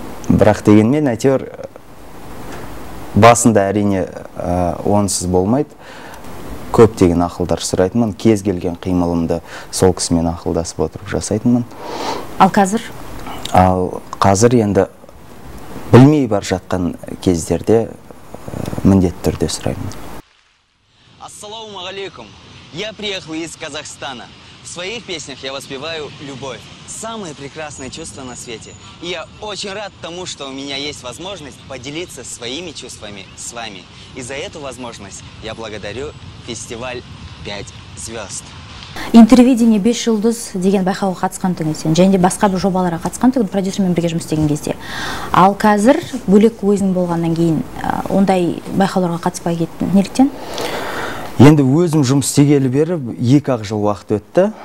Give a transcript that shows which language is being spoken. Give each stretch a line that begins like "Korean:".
Kazakh: Бірақ дегенмен әйтеуір басында әрине онсыз болмайды, көп деген ақылдар сұрайтынмын, кез келген қимылымды сол кісімен ақылдасып отырып жасайтынмын. Ал қазір? Ал қазір енді білмей бар жатқан кездерде міндетті түрде сұраймын.
Russian: Ассаламу алейкум, я приехал из Казахстана. В своих песнях я воспеваю любовь. Самое прекрасное чувство на свете. И я очень рад тому, что у меня есть возможность поделиться своими чувствами с вами. И за эту возможность я благодарю фестиваль «5 звезд».
Kazakh: Интервидение бес жылдыз деген байқауға қатысқан сен және басқа бір жобаларға қатысқан тұғын продюсермен бірге жұмыс істеген кезде. Ал қазір бөлек өзің болғаннан кейін ондай байқауларға қатыспай кеттің. Неліктен? Енді өзім жұмыс істегелі бері 2 жыл уақыт өтті.